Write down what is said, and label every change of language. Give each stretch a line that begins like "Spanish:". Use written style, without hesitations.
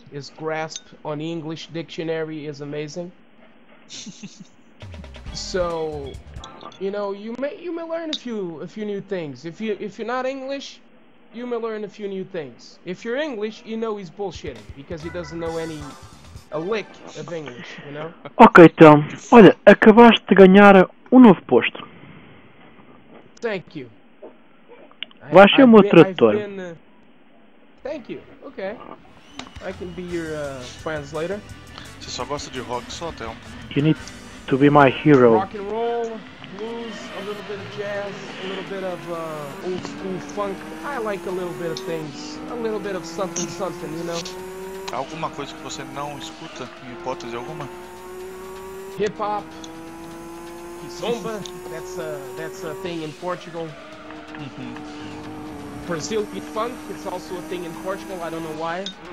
English: His grasp on the English dictionary is amazing. So, you know, you may learn a few new things. If you're not English, you may learn a few new things. If you're English, you know he's bullshitting because he doesn't know a lick of English, you know?
Portuguese: Ok, então, olha, acabaste de ganhar novo posto.
English: Thank you.
Portuguese: Vai ser o meu tradutor.
English: Thank you. Ok. I can be your translator.
Portuguese: Você só gosta de rock, só até um.
English: You need to be my hero. Rock and roll, blues, a little bit of jazz, a little bit of old school funk. I like a little bit of things. A little bit of something, something, you know?
Portuguese: Alguma coisa que você não escuta, em hipótese alguma?
English: Hip hop, kizomba, that's a thing in Portugal. Mm-hmm. Brazil beat funk, it's also a thing in Portugal, I don't know why.